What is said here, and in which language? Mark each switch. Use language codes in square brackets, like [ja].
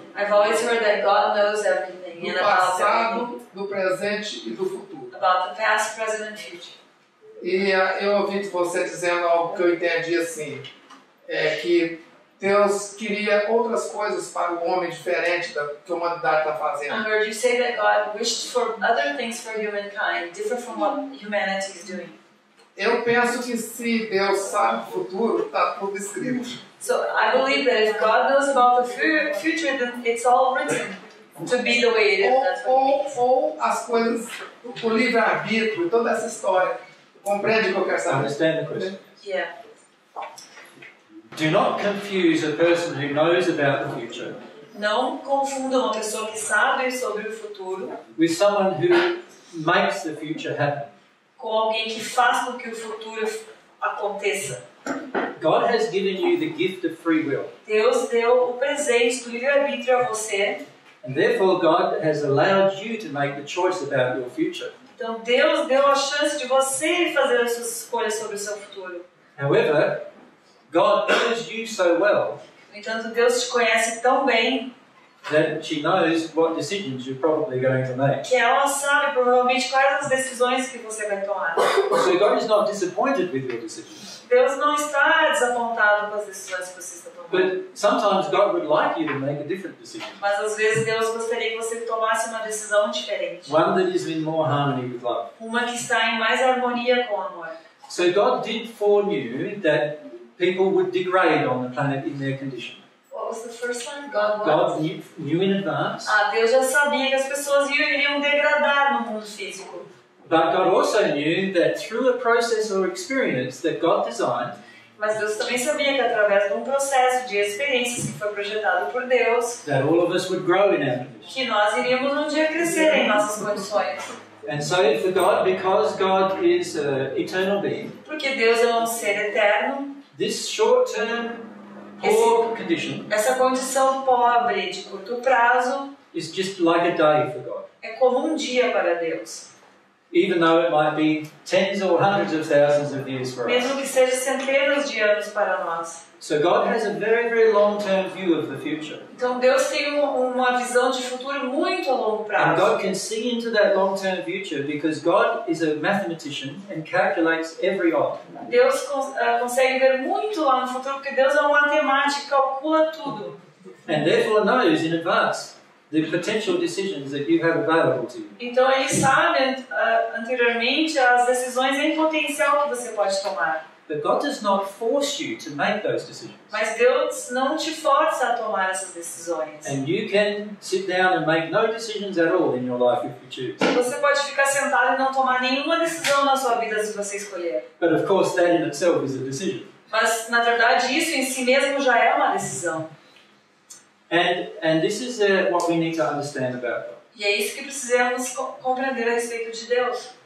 [en] I've always heard that God knows everything. [pt] Do passado, do presente e do futuro. [en] About the past, present and future. [pt] E eu ouvi você dizendo algo que eu entendi assim, é que Deus queria outras coisas para o homem diferente da que a humanidade está fazendo. [en] I heard you say that God wished for other things for humankind, different from what humanity is doing. [pt] Eu penso que se Deus sabe o futuro, está tudo escrito. [en] So I believe that if God knows about the future, then it's all written to be the way it is. [pt] Ou as coisas, o livre arbítrio, toda essa história. Compreende o que eu quero saber? [en] Understand the question? Yeah. Do not confuse a person who knows about the future. [pt] Não confunda uma pessoa que sabe sobre o futuro. [en] With someone who makes the future happen. [pt] Com alguém que faz com que o futuro aconteça. [en] God has given you the gift of free will. [pt] Deus deu o presente do livre-arbítrio a você. [en] And therefore God has allowed you to make the choice about your future. [pt] Então Deus deu a chance de você fazer as suas escolhas sobre o seu futuro. [en] However, God knows you so well. [pt] No entanto, Deus te conhece tão bem. [en] That she knows what decisions you're probably going to make. [pt] Que ela sabe provavelmente quais as decisões que você vai tomar. [en] So God is not disappointed with your decisions. [pt] Deus não está desapontado com as decisões que você está tomando. [en] But sometimes God would like you to make a different decision. [pt] Mas às vezes Deus gostaria que você tomasse uma decisão diferente. [en] One that is in more harmony with love. [pt] Uma que está em mais harmonia com o amor. [en] So God did form you that people would degrade on the planet in their condition. What was the first one? God was? God knew in advance. [pt] Deus já sabia que as pessoas iriam degradar no mundo físico. [en] But God also knew that through a process or experience that God designed. [pt] Mas Deus também sabia que através de processo de experiências que foi projetado por Deus. [en] That all of us would grow in our condition. [pt] Que nós iríamos dia crescer em nossas condições. [en] And so for God, because God is an eternal being. [pt] Porque Deus é ser eterno. [en] This short-term, poor condition. [pt] Essa condição pobre de curto prazo. [en] Is just like a day for God. [pt] É como dia para Deus. [en] Even though it might be tens or hundreds of thousands of years for us. [pt] Mesmo que seja centenas de anos para nós. [en] So God has a very, very long-term view of the future. [pt] Então Deus tem uma visão de futuro muito a longo prazo. [en] And God can see into that long-term future because God is a mathematician and calculates every odd. [pt] Deus consegue ver muito lá no futuro porque Deus é um matemático, calcula tudo. [en] And therefore knows in advance the potential decisions that you have available to you. [pt] Então ele sabe anteriormente as decisões em potencial que você pode tomar. [en] But God does not force you to make those decisions. [pt] Mas Deus não te força a tomar essas decisões. [en] And you can sit down and make no decisions at all in your life if you choose. [pt] Você pode ficar sentado e não tomar nenhuma decisão na sua vida se você escolher. [en] But of course that in itself is a decision. [pt] Mas na verdade isso em si mesmo já é uma decisão. [en] And this is what we need to understand about God. [pt] E é isso que precisamos compreender a respeito de Deus.